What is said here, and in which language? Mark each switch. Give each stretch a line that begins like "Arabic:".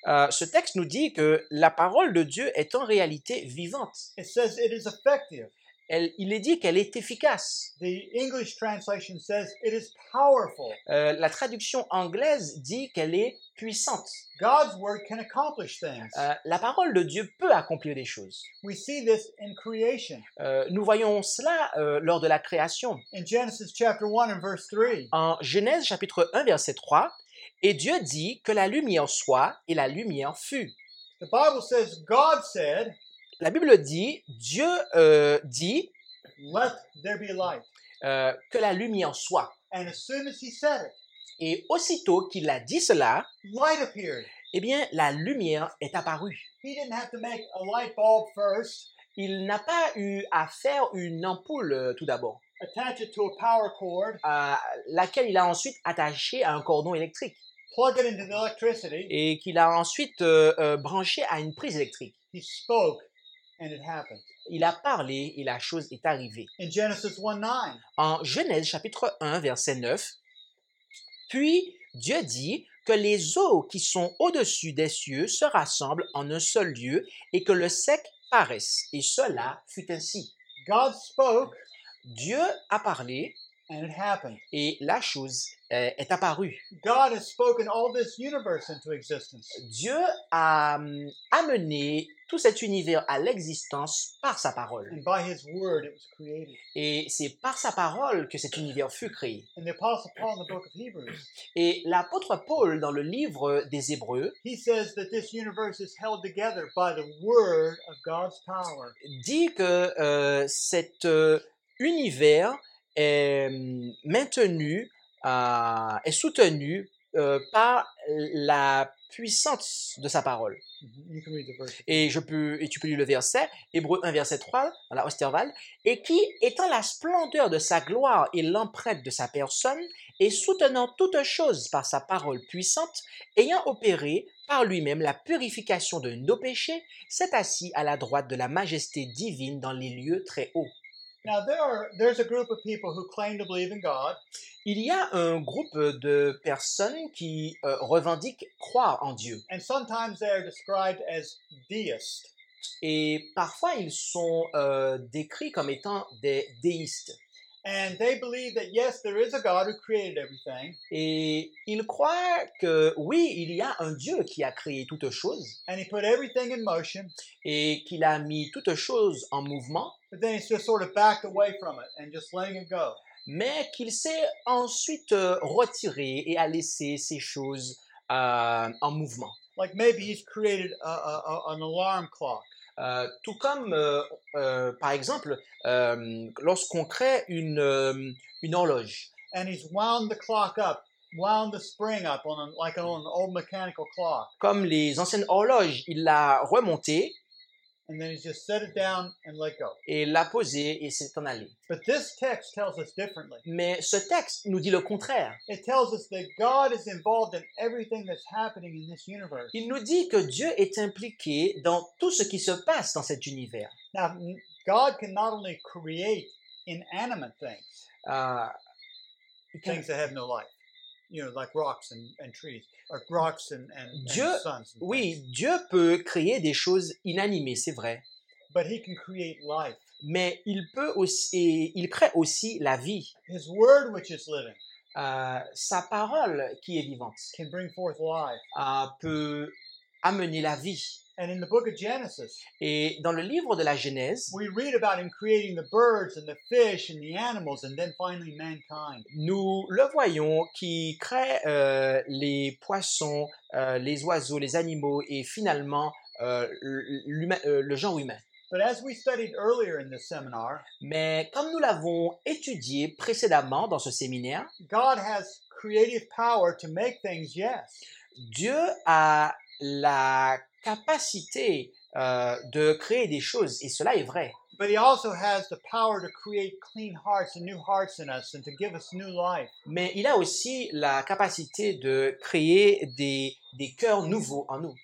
French: Ce texte nous dit que la parole de Dieu est en réalité vivante.
English: It says it is effective.
French: Il est dit qu'elle est efficace.
English: The English translation says it is powerful.
French: La traduction anglaise dit qu'elle est puissante.
English: God's word can accomplish things.
French: La parole de Dieu peut accomplir des choses.
English: We see this in creation.
French: Nous voyons cela lors de la création.
English: In Genesis chapter 1 and verse 3.
French: En Genèse chapitre 1 verset 3, et Dieu dit que la lumière soit et la lumière fut.
English: The Bible says God said.
French: La Bible dit, Dieu dit,
English: let there be light.
French: Que la lumière soit.
English: And as soon as he said it,
French: et aussitôt qu'il a dit cela,
English: light appeared.
French: Eh bien, la lumière est apparue.
English: He didn't have to make a light bulb first.
French: Il n'a pas eu à faire une ampoule tout d'abord,
English: attach it to a power cord.
French: À laquelle il a ensuite attaché à un cordon électrique.
English: Plug it into the electricity.
French: Et qu'il a ensuite branché à une prise électrique.
English: He spoke. And it happened.
French: Il a parlé et la chose est arrivée.
English: In Genesis 1:9.
French: En Genèse chapitre 1 verset 9. Puis Dieu dit que les eaux qui sont au-dessus des cieux se rassemblent en un seul lieu et que le sec paraisse. Et cela fut ainsi.
English: God spoke.
French: Dieu a parlé.
English: And it happened.
French: Et la chose est apparue.
English: God has spoken all this universe into existence.
French: Dieu a amené tout cet univers à l'existence par sa parole.
English: And by his word it was created.
French: Et c'est par sa parole que cet univers fut créé.
English: And the apostle Paul in the book of Hebrews.
French: Et l'apôtre Paul dans le livre des Hébreux.
English: He says that this universe is held together by the word of God's power.
French: Dit que cet univers est maintenu, est soutenu par la puissance de sa parole.
English: You can read the verse.
French: Et tu peux lire le verset, Hébreux 1, verset 3, dans la Osterwald, et qui, étant la splendeur de sa gloire et l'empreinte de sa personne, et soutenant toute chose par sa parole puissante, ayant opéré par lui-même la purification de nos péchés, s'est assis à la droite de la majesté divine dans les lieux très hauts.
English: Now there's a group of people who claim to believe in God.
French: Il y a un groupe de personnes qui revendiquent croire en Dieu.
English: And sometimes they are described as deists.
French: Et parfois ils sont décrits comme étant des déistes.
English: And they believe that yes, there is a God who created everything.
French: Et ils croient que oui, il y a un Dieu qui a créé toutes choses.
English: And he put everything in motion.
French: Et qu'il a mis toutes choses en mouvement.
English: But then he's just sort of backed away from it and just letting it go.
French: Mais qu'il s'est ensuite retiré et a laissé ces choses en mouvement.
English: Like maybe he's created an alarm clock.
French: Tout comme, par exemple, lorsqu'on crée une horloge.
English: And he's wound the clock up, wound the spring up on like an old mechanical clock.
French: Comme les anciennes horloges, il l'a remonté.
English: And then he's just set it down and let go.
French: Et l'a posé et s'est en allé.
English: But this text tells us differently.
French: Mais ce texte nous dit le contraire.
English: It tells us that God is involved in everything that's happening in this universe.
French: Il nous dit que Dieu est impliqué dans tout ce qui se passe dans cet univers.
English: Now, God can not only create inanimate things. Things that have no life. You know, like rocks and trees, or rocks
French: Dieu,
English: and suns. And
French: oui, Dieu peut créer des choses inanimées, c'est vrai.
English: But he can create life.
French: Mais il peut aussi, il crée aussi la vie.
English: His word, which is living.
French: Sa parole, qui est vivante.
English: Can bring forth life.
French: Peut amener la vie.
English: And in the book of Genesis.
French: Et dans le livre de la Genèse.
English: We read about him creating the birds and the fish and the animals and then finally mankind.
French: Nous le voyons qui crée les poissons, les oiseaux, les animaux et finalement le genre humain.
English: But as we studied earlier in this seminar.
French: Mais comme nous l'avons étudié précédemment dans ce séminaire.
English: God has creative power to make things, yes.
French: Dieu a la capacité de créer des choses, et cela est vrai.
English: But he also has the power to create clean hearts and new hearts in us and to give us new life.
French: Mais il a aussi la capacité de créer des cœurs nouveaux en nous.